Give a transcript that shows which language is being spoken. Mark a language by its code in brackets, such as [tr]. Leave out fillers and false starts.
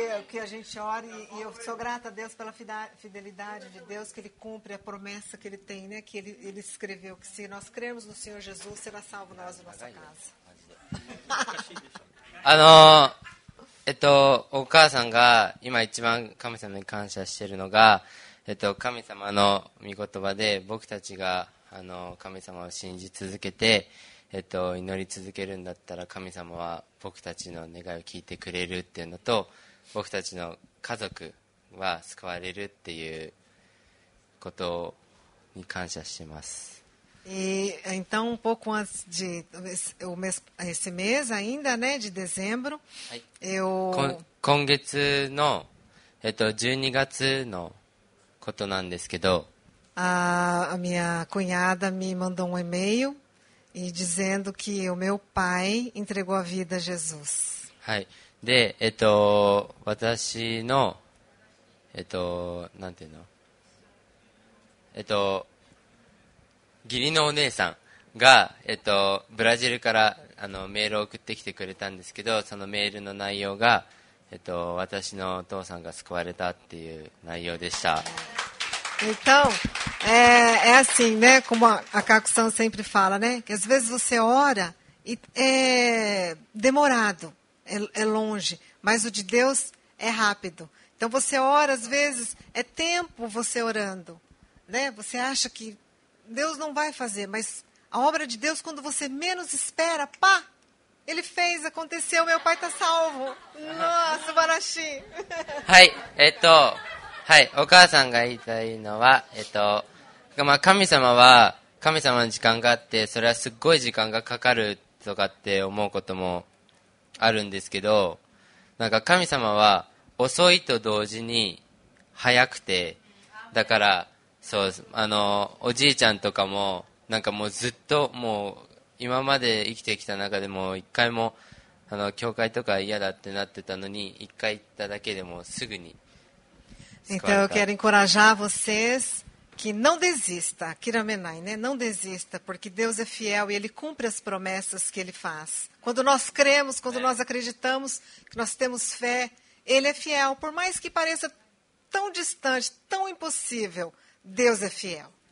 [pt] Que a gente ore e eu sou grata a Deus pela fidelidade de Deus, que Ele cumpre a promessa que Ele tem, né? Que Ele escreveu que se nós crermos no Senhor Jesus, será salvo nós e nossa casa. [ja] お母さんが今一番神様に感謝しているのが、神様の御言葉で僕たちが。あの神様を信じ続けて、祈り続けるんだったら神様は僕たちの願いを聞いてくれるっていうのと、僕たちの家族は救われるっていうことに感謝しています。 [pt] E então um pouco antes de esse mês ainda, né, de dezembro, eu [ja] 今月の、12月のことなんですけど、 [pt] A minha cunhada me mandou um e-mail e dizendo que o meu pai entregou a vida a Jesus. [ja] はい。で、私の、なんていうの、義理のお姉さんが、ブラジルからあのメールを送ってきてくれたんですけど、そのメールの内容が、私のお父さんが救われたっていう内容でした。 [pt] Então, é assim, né? Como a Kako-san sempre fala, né? Que às vezes você ora e é demorado, é longe, mas o de Deus é rápido. Então você ora, às vezes, é tempo você orando, né? Você acha que Deus não vai fazer, mas a obra de Deus, quando você menos espera, pá! Ele fez, aconteceu, meu pai está salvo. Nossa, Barashi! [ja] Hai, はい、お母さんが言いたいのは、まあ、神様は神様の時間があって、それはすっごい時間がかかるとかって思うこともあるんですけど、なんか神様は遅いと同時に早くて、だからそう、あのおじいちゃんとかもなんかもうずっともう今まで生きてきた中でも一回もあの教会とか嫌だってなってたのに、一回行っただけでもすぐに。 [pt] Então, eu quero encorajar vocês que não desista, Kiramenai, né? Não desista, porque Deus é fiel e Ele cumpre as promessas que Ele faz. Quando nós cremos, quando nós acreditamos, que nós temos fé, Ele é fiel. Por mais que pareça tão distante, tão impossível, Deus é fiel.